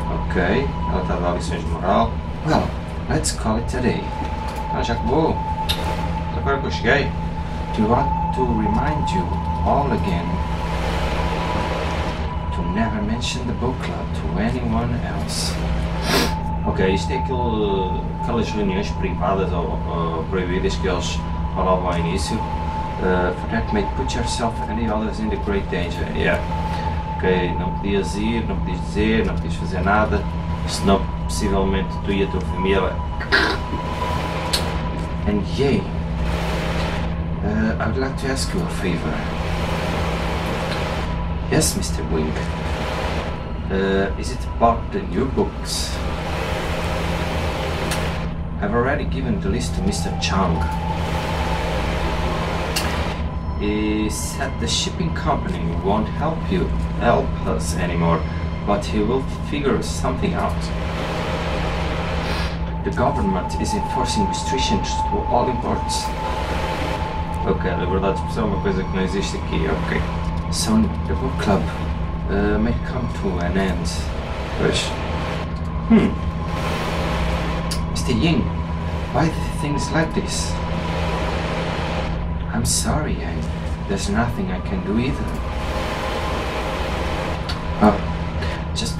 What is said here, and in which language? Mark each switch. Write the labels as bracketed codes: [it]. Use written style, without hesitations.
[pt] Ok, ela está dando lições de moral. [en] Well, let's call it a day. [pt] Ah, já acabou! Agora que eu cheguei. [en] Do you want to remind you all again? Never mention the book club to anyone else. [pt] Ok, isto é aquelas reuniões privadas ou proibidas que eles falavam ao início. [en] For that may put yourself and the others in the great danger. Yeah. [pt] Ok, não podias ir, não podias dizer, não podias fazer nada. Senão possivelmente tu e a tua família. [en] And yay. I would like to ask you a favor. Yes, Mr. Wing. Is it about the new books? I've already given the list to Mr. Chang. He said the shipping company won't help us anymore, but he will figure something out. The government is enforcing restrictions to all imports. [pt] Okay, liberdade de expressão é uma coisa que não existe aqui, ok. [en] So the book club may come to an end. Push. Mr. Ying, why the things like this? I'm sorry, Yang. There's nothing I can do either. Oh, just